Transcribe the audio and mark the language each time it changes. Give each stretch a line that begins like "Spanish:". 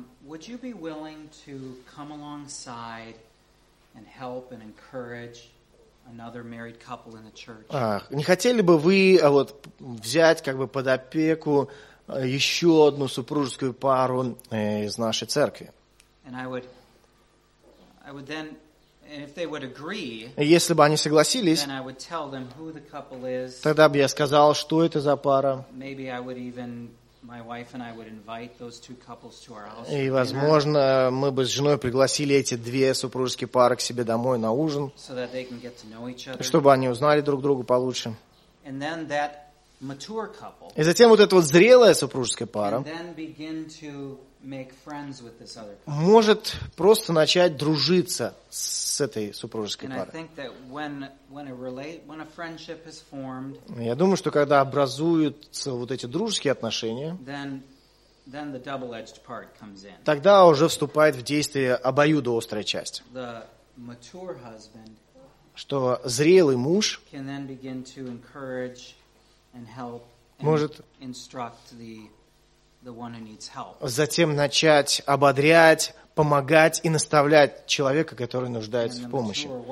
English: Would you be willing to come alongside and help and encourage another married couple in the church?
Russian: Не хотели бы вы вот взять как бы под опеку еще одну супружескую пару из нашей церкви?
English: And I would then, and if they would agree,
Russian: если бы они согласились,
English: then I would tell them who the couple is.
Russian: Тогда бы я сказал, что это за пара.
English: Maybe I would even, my wife and I would invite those two couples to our house.
Russian: И, возможно, мы бы с женой пригласили эти две супружеские пары к себе домой на ужин,
English: so that they can get to know each other.
Russian: Чтобы они узнали друг друга получше.
English: And then that mature couple.
Russian: И затем вот эта вот зрелая супружеская пара
English: can then begin to make friends with this other couple.
Russian: Может просто начать дружиться с этой супружеской парой.
English: And I think that when a friendship is formed,
Russian: я думаю, что когда образуются вот эти дружеские отношения,
English: then the double-edged part comes in.
Russian: Тогда уже вступает в действие обоюдоострая часть.
English: The mature husband
Russian: что зрелый муж
English: can then begin to encourage and help and
Russian: может
English: instruct the one who needs help.
Russian: Затем начать ободрять, помогать и наставлять человека, который нуждается в помощи.